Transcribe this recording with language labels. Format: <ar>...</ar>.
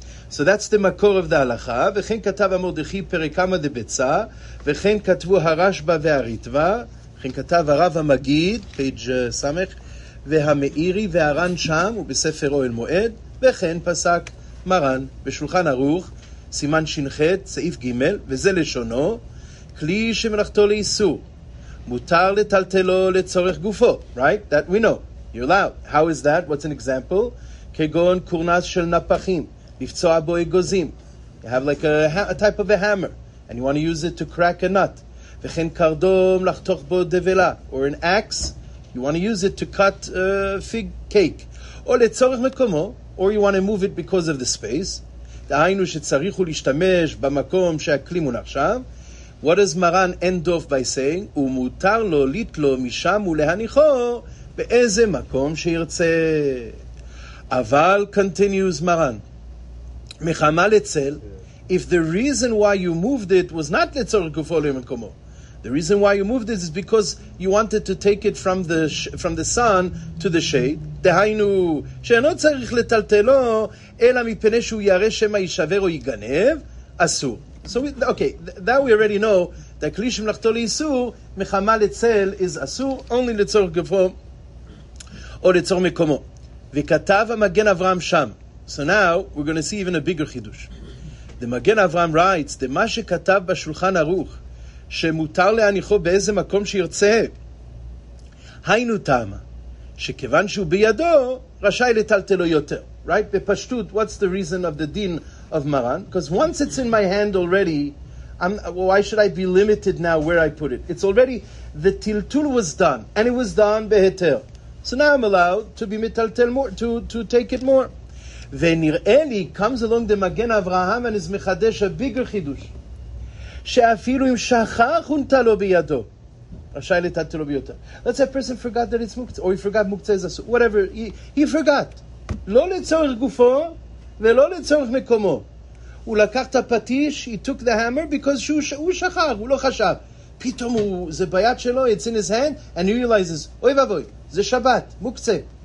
<en>So that's the</en> <he>מקור of the הלכה, וכן כתב המרדכי פרק כמה דבצה, וכן כתבו הרשב"א והריטב"א, וכן כתב הרב המגיד, פייג' סמך, והמאירי והר"ן שם, ובספר אוהל מועד, וכן פסק מרן בשולחן ערוך, סימן שנחת, סעיף ג', וזה לשונו, כלי שמלאכתו לאיסור, מותר לטלטלו לצורך גופו, right?</he> <en>That we know. You're allowed. How is that? What's an example?</en> <he>כגון קורנס של נפחים, לפצוע בו אגוזים.</he> <en>You have like a type of a hammer, and you want to use it to crack a nut.</en> <he>וכן קרדום לחתוך בו דבלה,</he> <en>or an axe, you want to use it to cut a fig cake.</en> <he>או לצורך מקומו,</he> <en>or you want to move it because of the space.</en> <he>דהיינו שצריכו להשתמש במקום שהכלי מונח שם.</he> <en>What does מרן end off by saying?</en> <he>הוא מותר לו לתלו משם ולהניחו באיזה מקום שירצה. אבל continues מרן.</he> <en>מחמה לצל, if the reason why you moved it was not לצורך גופו למקומו. The reason why you moved it is because you wanted to take it from the sun to the shade.</en> <he>דהיינו, שאינו צריך לטלטלו, אלא מפני שהוא ירא שמא יישבר או ייגנב, אסור.</he> <en>So, okay, that we already know, that כלי שמלאכתו לאיסור, מחמה לצל, is אסור, only לצורך גופו, או לצורך מקומו.</en> <he>וכתב המגן אברהם שם.</he> <en>So now, we're going to see even a bigger חידוש. The מגן אברהם writes, the</en> <he>מה שכתב בשולחן ערוך, שמותר להניחו באיזה מקום שירצה. היינו טעם, שכיוון שהוא בידו, רשאי לטלטלו יותר.</he> <en>Right? בפשטות, what's the reason of the din of Maran? Because once it's in my hand already, why should I be limited now where I put it? It's already, the tiltul was done, and it was done בהיתר. So now I'm allowed to be מטלטל more, to take it more.</en> <he>ונראה לי,</he> <en>comes along the מגן אברהם, and is מחדש a bigger חידוש.</en> <he>שאפילו אם שכח הונתה לו בידו, רשאי לטלטלו לו ביותר.</he> <en>Let's say a person forgot that it's מוקצה, or he forgot מוקצה איזה סוג, whatever, he forgot.</en> <he>לא לצורך גופו, ולא לצורך מקומו. הוא לקח את הפטיש,</he> <en>he took the hammer, because</en> <he>הוא שכח, הוא לא חשב. פתאום הוא, זה ביד שלו,</he> <en>it's in his hand, and he realizes,</en> <he>אוי ואבוי, זה שבת, מוקצה.</he>